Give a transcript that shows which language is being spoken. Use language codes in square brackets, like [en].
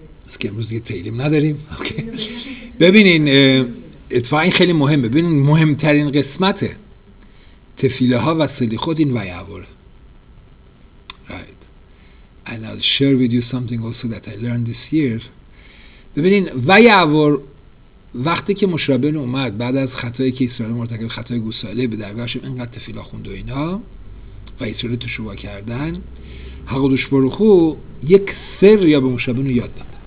[fa] از که امروز دیگه تعلیم نداریم. ببینین اتفاقی خیلی مهمه، ببینین مهمترین قسمته تفیله ها و سلیخوت این ویعوره. [en] Right. And I'll share with you something also that I learned this year. [fa] ببینین ویعور وقتی که موشه رابینو اومد بعد از خطایی که اسرائیل مرتکب خطای گوساله به درگاهشم اینقدر تفیله خوند و اینا و اسرائیل تشوبه کردن، هقدوش بروخو یک سر یا به موشه رابینو یاد داد.